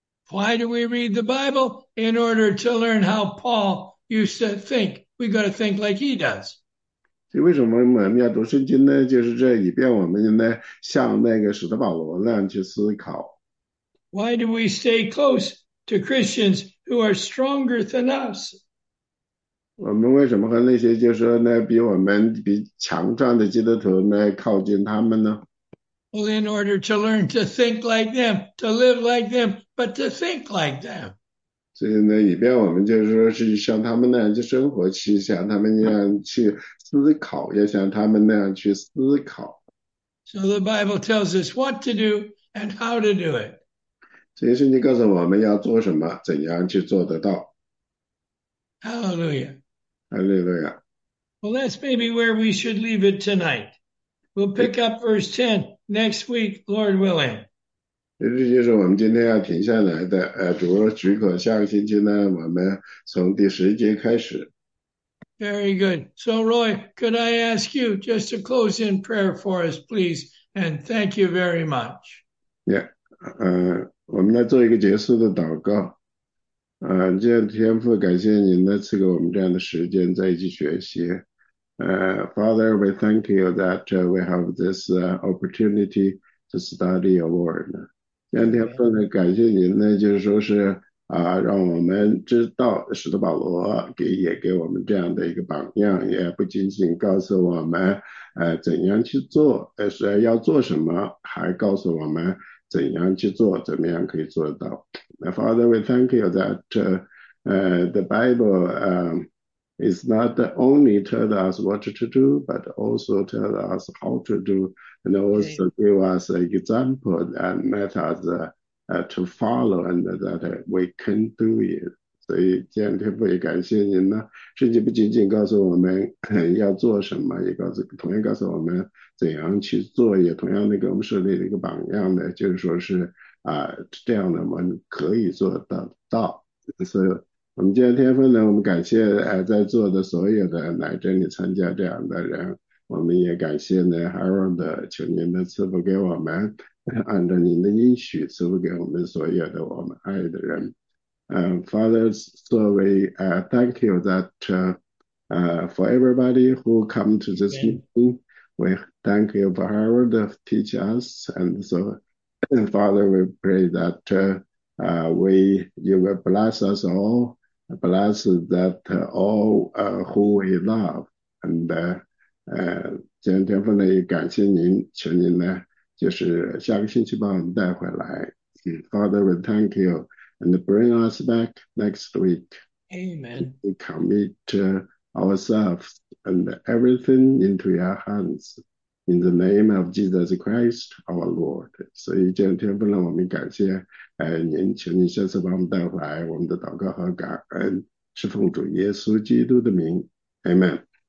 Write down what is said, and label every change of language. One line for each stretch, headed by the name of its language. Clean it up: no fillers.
English: Why do we read the Bible? In order to learn how Paul used to think. We got to think like he does.
Chinese: 为什么我们要读圣经呢？就是这以便我们呢像那个使徒保罗那样去思考。
English: Why do we stay close to Christians who are stronger than us?
Chinese: 我们为什么和那些就是说呢比我们比强壮的基督徒呢靠近他们呢？
English: Well, in order to learn to think like them, to live like them, but to think like them.
Chinese: 所以呢，以便我们就是说是像他们那样去生活，去像他们那样去思考，要像他们那样去思考。
English: So the Bible tells us what to do and how to do it.
Chinese: 所以圣经告诉我们要做什么，怎样去做得到。
English: Hallelujah. Hallelujah. Well, that's maybe where we should leave it tonight. We'll pick up verse 10 next week, Lord willing.
Chinese: 也就是我们今天要停下来的，主许可下个星期呢，我们从第十节开始。
English: Very good. So, Roy, could I ask you just to close in prayer for us, please? And thank you very much. Yeah,
Chinese: 我们来做一个结束的祷告。这样天父，感谢您呢，赐给我们这样的时间在一起学习。
English: Father, we thank you that we have this opportunity to study your word.
Chinese: 今天非常感谢您呢，就是说是让我们知道使徒保罗也给我们这样的一个榜样，也不仅仅告诉我们怎样去做，而是要做什么，还告诉我们怎样去做，怎么样可以做到。
English: Now, Father, we thank you that the Bible is not only tell us what to do, but also tell us how to do. And also give us an example and methods to follow and that we can do it.
Chinese: 所以今天天父也感谢您呢，圣经不仅仅告诉我们要做什么，也告诉同样告诉我们怎样去做，也同样的给我们设立了一个榜样呢，就是说是这样的我们可以做得到。所以我们今天天父呢，我们感谢在座的所有的来这里参加这样的人。我们也感谢呢，Aaron 的，求您的赐福给我们，按照您的应许赐福给我们所有的我们爱的人。
English: Fathers, so we thank you that for everybody who come to this Amen. meeting, we thank you for Aaron to teach us. And so, Father, we pray that you will bless us all, bless that all who we love, and
Chinese: 今天分内感谢您，求您呢，就是下个星期把我们带回来。
English: Father, we thank you and bring us back next week. Amen. We commit ourselves and everything into your hands in the name of Jesus Christ, our Lord.
Chinese: 所以今天分内我们感谢，您，求您下次把我们带回来。我们的祷告和感恩是奉主耶稣基督的名，Amen。